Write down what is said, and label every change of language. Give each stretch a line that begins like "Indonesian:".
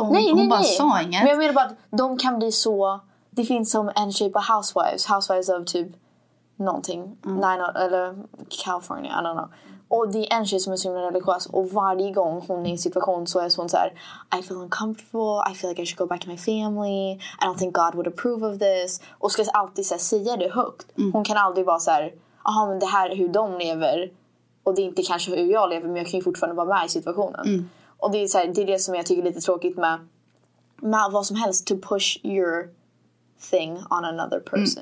Swedish: Hon sa inget. Men jag menar bara att de kan bli så, det finns som en
English: shape of housewives. Housewives of
Swedish: typ någonting.
English: Mm.
Swedish: Nej, eller
English: California, I don't know.
Swedish: Och det är en tjej som är så himla religiös. Och varje gång hon är i en situation så är hon så här,
English: I feel uncomfortable. I feel like I should go back to my family. I don't think God would approve of this.
Swedish: Och ska alltid så här, säga det högt. Mm. Hon kan aldrig vara så här, aha, men det här är hur de lever. Och det är inte kanske hur jag lever. Men jag kan ju fortfarande vara med i situationen. Mm. Och det är, så här, det är det som jag tycker är lite tråkigt med vad som helst.
English: To push your thing on another person.